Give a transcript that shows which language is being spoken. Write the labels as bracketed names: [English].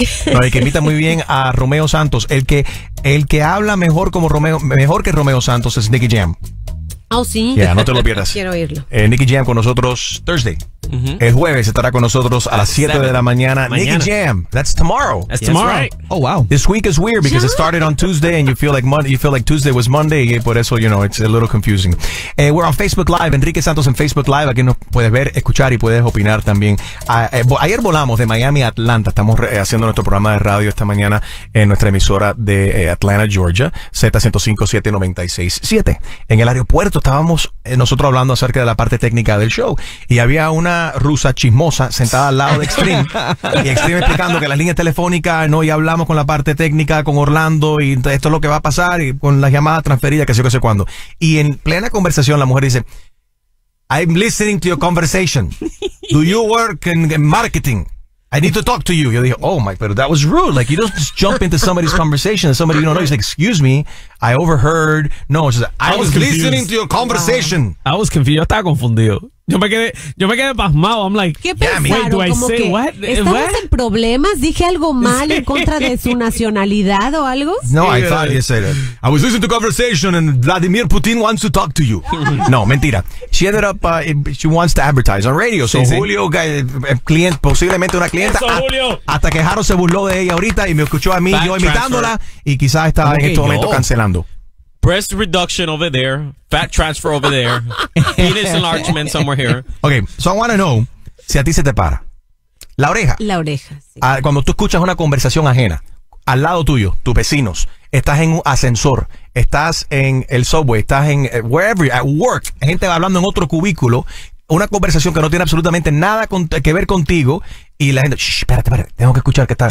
[Spanish] No, el que imita muy bien a Romeo Santos. El que habla mejor como Romeo, mejor que Romeo Santos es Nicky Jam. Oh, sí. Ya, no te lo pierdas. Quiero oírlo. Nicky Jam con nosotros Thursday. Uh-huh. El jueves estará con nosotros a las 7 de la mañana. [English] Nicky Jam, that's tomorrow. That's tomorrow. Right. Oh, wow. This week is weird because it started on Tuesday and you feel like Tuesday was Monday. [Spanish] Y por eso, [English] you know, it's a little confusing. We're on Facebook Live. Enrique Santos en Facebook Live. [Spanish] Aquí nos puedes ver, escuchar y puedes opinar también. Ayer volamos de Miami a Atlanta. Estamos haciendo nuestro programa de radio esta mañana en nuestra emisora de Atlanta, Georgia. Z105-796-7. En el aeropuerto estábamos nosotros hablando acerca de la parte técnica del show y había una rusa chismosa sentada al lado de Extreme y Extreme explicando que las líneas telefónicas no, y hablamos con la parte técnica con Orlando y esto es lo que va a pasar y con las llamadas transferidas que sé cuándo, y en plena conversación la mujer dice, [English] I'm listening to your conversation, do you work in marketing, I need to talk to you. [Spanish] Yo dije, [English] oh my, [Spanish] pero [English] that was rude. Like, you don't just jump into somebody's conversation and somebody you don't know. He's like, excuse me, I overheard. No, she's like, I was listening to your conversation. I was confused. [Spanish] Yo estaba confundido. Yo me quedé pasmado. [English] I'm like, [Spanish] ¿qué pensaron? [English] Wait, do I say what? [Spanish] ¿Estamos en problemas? ¿Dije algo mal en contra de su nacionalidad o algo? [English] No, I thought you said it. I was listening to conversation and Vladimir Putin wants to talk to you. [Spanish] No, mentira. [English] She ended up, she wants to advertise on radio. [Spanish] So sí, Julio, sí. Client, posiblemente una clienta. Eso, Julio. Hasta que Jaro se burló de ella ahorita y me escuchó a mí, back yo transfer. Imitándola y quizás estaba en este momento cancelando. [English] Breast reduction over there, fat transfer over there, penis enlargement somewhere here. Okay, so I want to know [Spanish] si a ti se te para. La oreja. La oreja, sí. Cuando tú escuchas una conversación ajena, al lado tuyo, tus vecinos, estás en un ascensor, estás en el subway, estás en wherever, [English] at work, [Spanish] gente hablando en otro cubículo, una conversación que no tiene absolutamente nada que ver contigo, y la gente, shh, espérate, tengo que escuchar qué tal.